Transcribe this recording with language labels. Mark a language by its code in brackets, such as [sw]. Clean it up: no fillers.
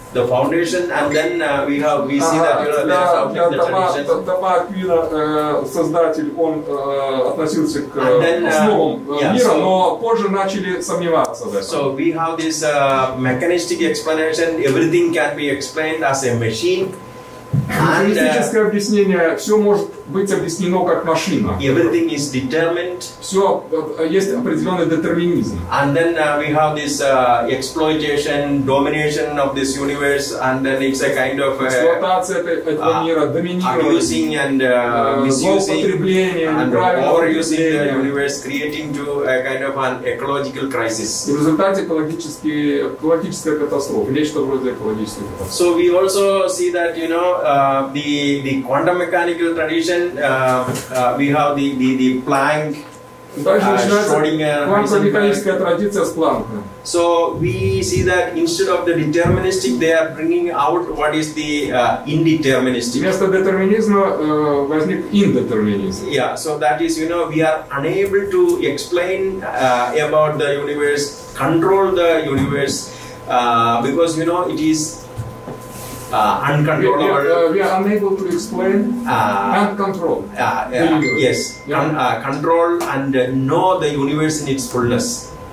[en] the foundation, and then we have we see that you know So we have this mechanistic explanation. Everything can be explained as a machine. [ru] Теоретическое объяснение, все может быть объяснено как машина. [en] Everything is determined. [ru] Все, есть определенный детерминизм. [en] And then we have this exploitation, domination of this universe, and then it's a kind of [ru] эксплуатация этого мира, доминирование, [en] abusing and misusing, and overusing the universe, creating to a kind of an ecological crisis. [ru] В результате экологическая катастрофа, нечто вроде экологической катастрофы. [en] So we also see that, you know, the quantum mechanical tradition we have the Planck Schrödinger so we see that instead of the deterministic they are bringing out what is the indeterministic [ru] вместо детерминизма возник индетерминизм [en] yeah so that is you know we are unable to explain about the universe control the universe because you know it is control and know the universe in its fullness